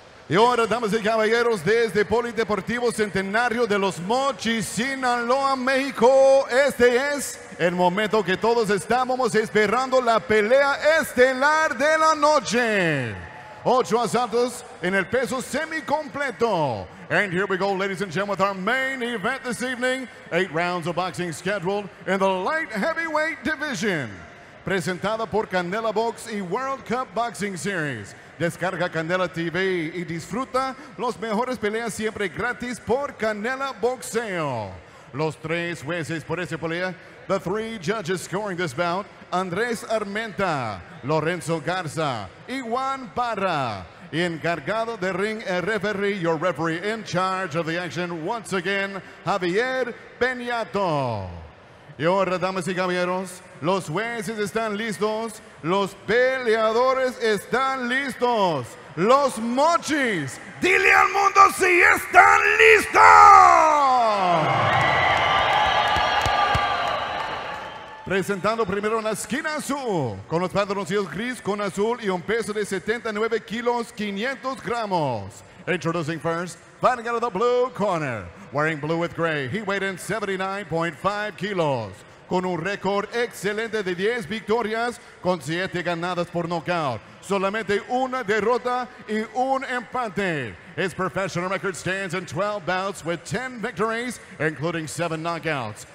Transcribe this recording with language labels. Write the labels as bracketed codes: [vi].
[es] Y ahora, damas y caballeros, desde Polideportivo Centenario de los Mochis, Sinaloa, México, este es el momento que todos estábamos esperando, la pelea estelar de la noche. 8 asaltos en el peso semi-completo. [en] And here we go, ladies and gentlemen, with our main event this evening. 8 rounds of boxing scheduled in the light heavyweight division. [es] Presentada por Canela Box y World Cup Boxing Series. Descarga Canela TV y disfruta los mejores peleas siempre gratis por Canela Boxeo. Los tres jueces por esta pelea, [en] the three judges scoring this bout, [es] Andrés Armenta, Lorenzo Garza y Juan Parra. Y encargado de ring, el referee, [en] your referee in charge of the action, once again, Javier Peñato. [es] Y ahora, damas y caballeros, los jueces están listos, los peleadores están listos, los Mochis, dile al mundo si están listos. Presentando primero en la esquina azul, con los pantaloncillos gris con azul y un peso de 79 kilos 500 gramos. [en] Introducing first, fighting out of the blue corner, wearing blue with gray, he weighed in 79.5 kilos. [es] Con un récord excelente de 10 victorias, con 7 ganadas por knockout. Solamente una derrota y un empate. [en] His professional record stands in 12 bouts with 10 victories, including 7 knockouts.